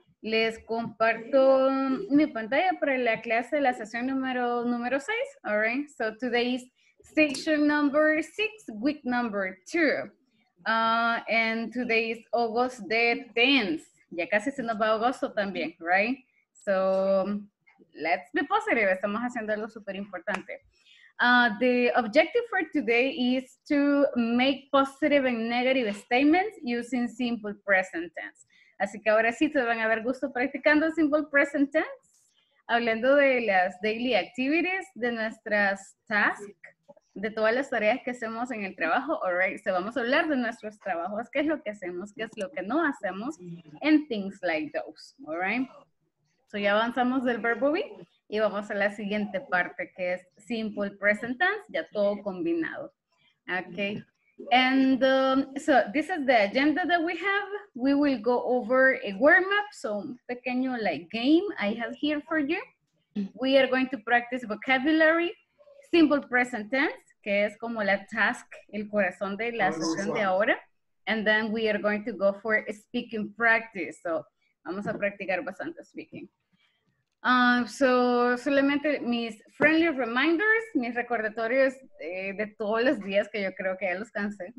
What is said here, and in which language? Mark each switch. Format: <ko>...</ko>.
<es>Les comparto mi pantalla para la clase de la sesión número 6,</es> <en>all right. So today is section number 6, week number 2. And today is August the 10th.</en> <es>Ya casi se nos va agosto también, right?</es> <en>So, let's be positive.</en> <es>Estamos haciendo algo súper importante.</es> <en>The objective for today is to make positive and negative statements using simple present tense.</en> <es>Así que ahora sí, te van a dar gusto practicando simple present tense. Hablando de las daily activities, de nuestras tasks, de todas las tareas que hacemos en el trabajo,</es> <en>all right, so</en> <es>vamos a hablar de nuestros trabajos, qué es lo que hacemos, qué es lo que no hacemos,</es> <en>and things like those, all right.</en> <es>So ya avanzamos del verbo be, y vamos a la siguiente parte, que es simple present tense, ya todo combinado, okay.</es> <en>And so this is the agenda that we have. We will go over a warm-up, so</en> <es>un pequeño</es> <en>like game I have here for you. We are going to practice vocabulary.</en> <es>Simple present tense, que es como la task, el corazón de la sesión de ahora.</es> <en>And then we are going to go for speaking practice.</en> <es>So, vamos a practicar bastante speaking. So, solamente mis</es> <en>friendly reminders,</en> <es>mis recordatorios de todos los días que yo creo que ya los cansé.</es>